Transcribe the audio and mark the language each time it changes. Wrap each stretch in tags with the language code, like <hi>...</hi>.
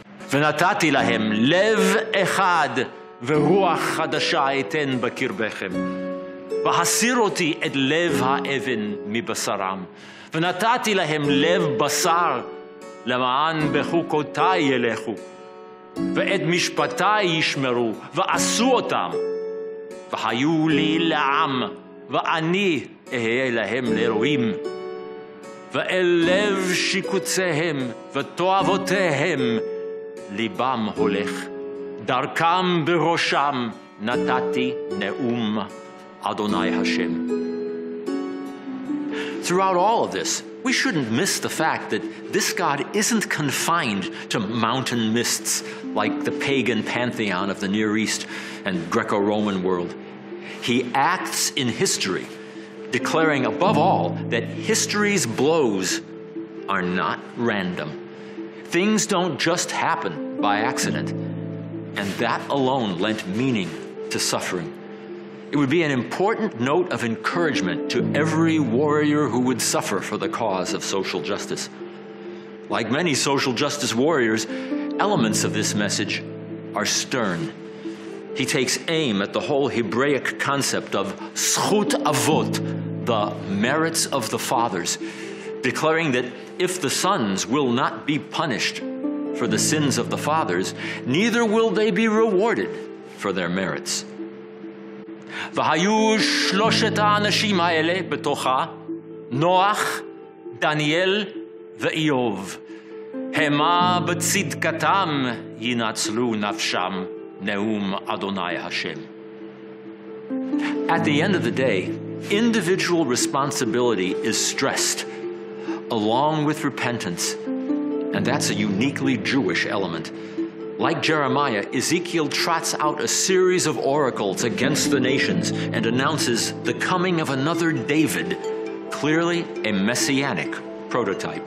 <he>V'natati lahem lev echad v'ruach chadasha eten b'kirbechem v'hasir oti et lev ha'evin mibasaram v'natati lahem lev basar lema'an b'chukotai yelechu ואת משפטי ישמרו, ועשו אותם, והיו לי לעם, ואני אהיה להם לאלוהים. ואל לב שיקוציהם ותועבותיהם, ליבם הולך. דרכם בראשם נתתי נאום אדוני השם.</he> <en>Throughout all of this, we shouldn't miss the fact that this God isn't confined to mountain mists like the pagan pantheon of the Near East and Greco-Roman world. He acts in history, declaring above all that history's blows are not random. Things don't just happen by accident, and that alone lent meaning to suffering. It would be an important note of encouragement to every warrior who would suffer for the cause of social justice. Like many social justice warriors, elements of this message are stern. He takes aim at the whole Hebraic concept of zchut avot, the merits of the fathers, declaring that if the sons will not be punished for the sins of the fathers, neither will they be rewarded for their merits.</en> <he>והיו שלושת האנשים האלה בתוכה, נוח, דניאל ואיוב. המה בצדקתם ינצלו נפשם, נאום אדוני השם.</he> <en>At the end of the day, individual responsibility is stressed, along with repentance. And that's a uniquely Jewish element. Like Jeremiah, Ezekiel trots out a series of oracles against the nations and announces the coming of another David, clearly a messianic prototype.</en>